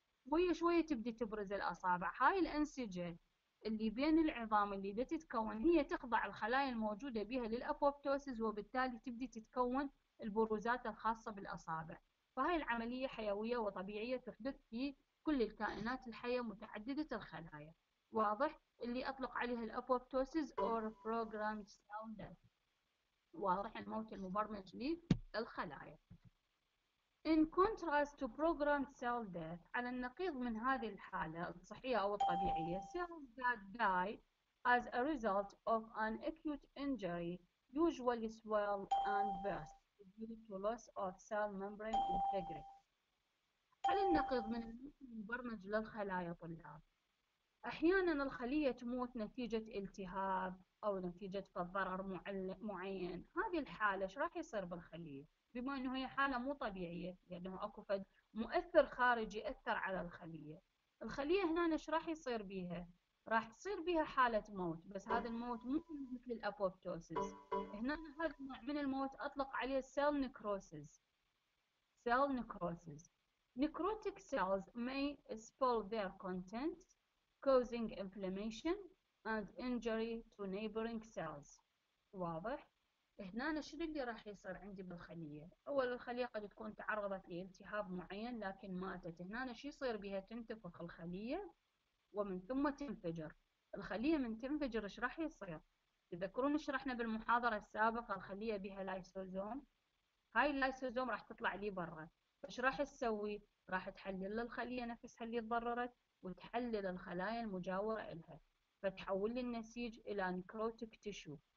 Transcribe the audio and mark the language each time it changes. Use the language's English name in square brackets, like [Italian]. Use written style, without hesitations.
[Arabic] شوية شوية تبدي تبرز الأصابع، هاي الأنسجة اللي بين العظام اللي دا تتكون هي تخضع الخلايا الموجودة بها للأبوبتوسيس، وبالتالي تبدي تتكون البروزات الخاصة بالأصابع. فهاي العملية حيوية وطبيعية تحدث في كل الكائنات الحية متعددة الخلايا. واضح؟ اللي أطلق عليها الأبوبتوسيس [English] or programmed cell death، [Arabic] واضح الموت المبرمج للخلايا. [English] In contrast to programmed cell death، [Arabic] على النقيض من هذه الحالة الصحية أو الطبيعية، [English] cells that die as a result of an acute injury usually swell and burst due to loss of cell membrane integrity. [Arabic] على النقيض من البرمج للخلايا طلاب، أحياناً الخلية تموت نتيجة التهاب أو نتيجة ضرر معين. هذه الحالة إيش راح يصير بالخلية؟ بما انه هي حالة مو طبيعية، لانه اكو فد مؤثر خارجي اثر على الخلية، الخلية هنا ايش راح يصير بيها؟ راح تصير بيها حالة موت، بس هذا الموت مو مثل الابوبتوسيس. هنا هذا النوع من الموت اطلق عليه cell necrosis. [English] cell necrosis. necrotic cells may spoil their contents causing inflammation and injury to neighboring cells. [Arabic] واضح؟ هنا شنو اللي راح يصير عندي بالخلية؟ أول الخلية قد تكون تعرضت لالتهاب معين لكن ماتت، هنا شو يصير بها؟ تنتفخ الخلية ومن ثم تنفجر، الخلية من تنفجر ايش راح يصير؟ تذكرون شرحنا بالمحاضرة السابقة الخلية بها لايسوزوم؟ هاي اللايسوزوم راح تطلع لي برا، ايش راح تسوي؟ راح تحلل الخلية نفسها اللي تضررت وتحلل الخلايا المجاورة إلها، فتحول لي النسيج إلى نيكروتيك تيشو.